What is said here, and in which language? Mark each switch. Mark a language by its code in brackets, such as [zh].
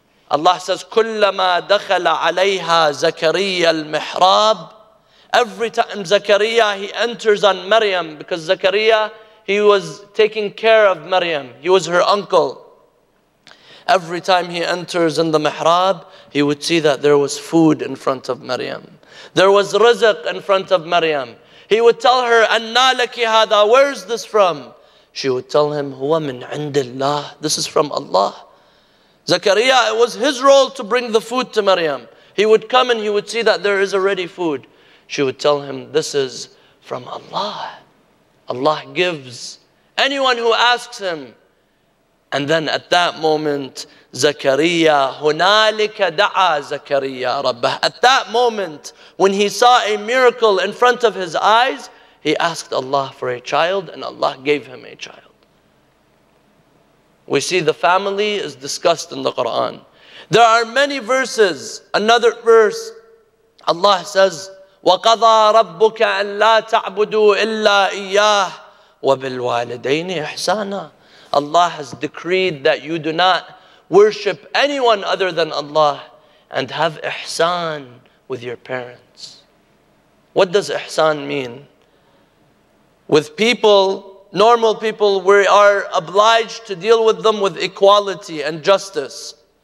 [en] Allah says, [ar] كُلَّمَا دَخَلَ عَلَيْهَا زَكَرِيَّ الْمِحْرَابِ. [en] Every time Zakariya, he enters on Maryam, because Zakariya, he was taking care of Maryam. He was her uncle. Every time he enters in the mihrab, he would see that there was food in front of Maryam. There was rizq in front of Maryam. He would tell her, [ar] أَنَّا لَكِ هَذَا. [en] Where is this from? She would tell him, [ar] هُوَ مِنْ عِنْدِ اللَّهِ. [en] This is from Allah. Zakariya, it was his role to bring the food to Maryam. He would come and he would see that there is already food. She would tell him, this is from Allah. Allah gives anyone who asks him. And then at that moment, Zakariya, [ar] هُنَالِكَ دَعَى زَكَرِيَّا رَبَّهُ. [en] At that moment, when he saw a miracle in front of his eyes, he asked Allah for a child and Allah gave him a child. We see the family is discussed in the Quran. There are many verses. Another verse, Allah says, [ar] وَقَضَى رَبُّكَ أَن لَا تَعْبُدُوا إِلَّا إِيَّاهِ وَبِالْوَالِدَيْنِ إِحْسَانًا. [en] Allah has decreed that you do not worship anyone other than Allah and have ihsan with your parents. What does ihsan mean? With people, normal people, we are obliged to deal with them with equality and justice.